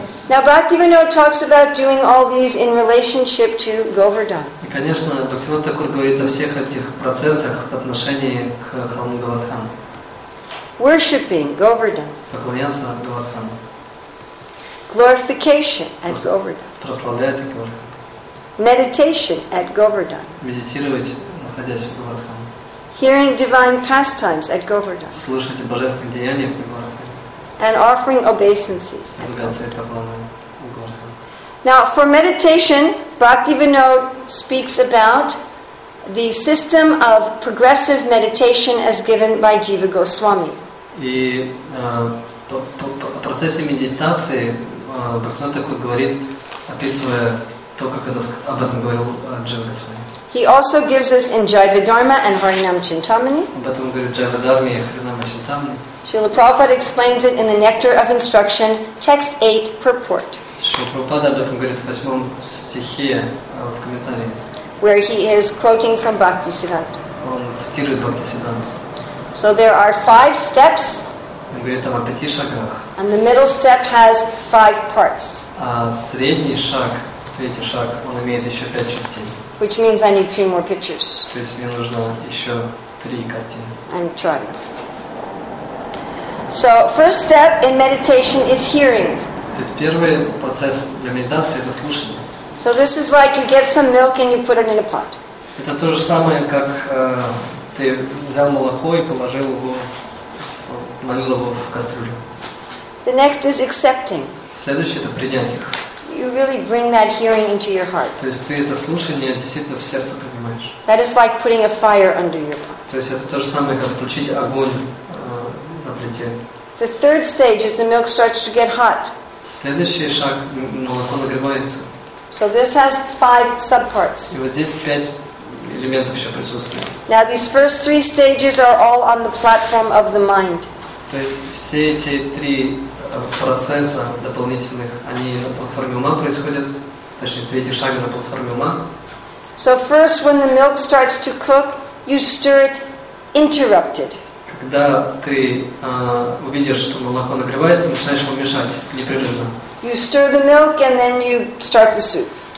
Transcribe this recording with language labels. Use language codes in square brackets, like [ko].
[en] Now Bhaktivinoda talks about doing all these in relationship to Govardhan. [ru] И, конечно, Бхактивинода Такур говорит о всех этих процессах в отношении к храму Говардхан. [en] Worshipping Govardhan. [ru] Поклоняться Говардхану. [en] Glorification at Govardhan. [ru] Прославляйте Бога. [en] Meditation at Govardhan. [ru] Медитировать, находясь в Говардхане. [en] Hearing divine pastimes at Govardhan. [ru] Слушайте божественные деяния в Говардхане. [en] And offering obeisances at Govardhan. Now, for meditation, Bhaktivinoda speaks about the system of progressive meditation as given by Jiva Goswami. [ru] И по процессе медитации Бхактивинода такой говорит, описывая то, как это об этом говорил Джива Госвами. [en] He also gives us in Jivadharma and Harinam Chintamani. [ru] Об этом говорит Jivadharma и Harinam Chintamani. [en] Srila Prabhupada explains it in the Nectar of Instruction, text 8, purport. [ru] Шрила Прабхупада об этом говорит в 8 стихе в комментарии. [en] Where he is quoting from Bhaktisiddhanta. [ru] Он цитирует Бхактисиддханту. [en] So there are 5 steps. [ru] Он говорит там о 5 шагах. [en] And the middle step has 5 parts. [ru] А средний шаг, третий шаг, он имеет еще 5 частей. [en] Which means I need 3 more pictures. [ru] То есть мне нужно еще 3 картины. [en] I'm trying. So first step in meditation is hearing. [ru] То есть первый процесс для медитации это слушание. [en] So this is like you get some milk and you put it in a pot. [ru] Это то же самое, как ты взял молоко и положил его, налил его в кастрюлю. [en] The next is accepting. [ru] Следующее это принятие. [en] You really bring that hearing into your heart. [ru] То есть ты это слушание действительно в сердце принимаешь. [en] That is like putting a fire under your pot. [ru] То есть это то же самое, как включить огонь на плите. [en] The third stage is the milk starts to get hot. [ru] Следующий шаг, молоко нагревается. [en] So this has 5 subparts. [ru] И вот здесь 5 элементов еще присутствуют. [en] Now these first 3 stages are all on the platform of the mind. [ru] То есть все эти 3 процесса дополнительных, они на платформе ума происходят, точнее третий шаг на платформе ума. [en] So first, when the milk starts to cook, you stir it interrupted. [ru] Когда ты увидишь, что молоко нагревается, начинаешь его мешать непрерывно. [en] You stir the milk and then you start the soup.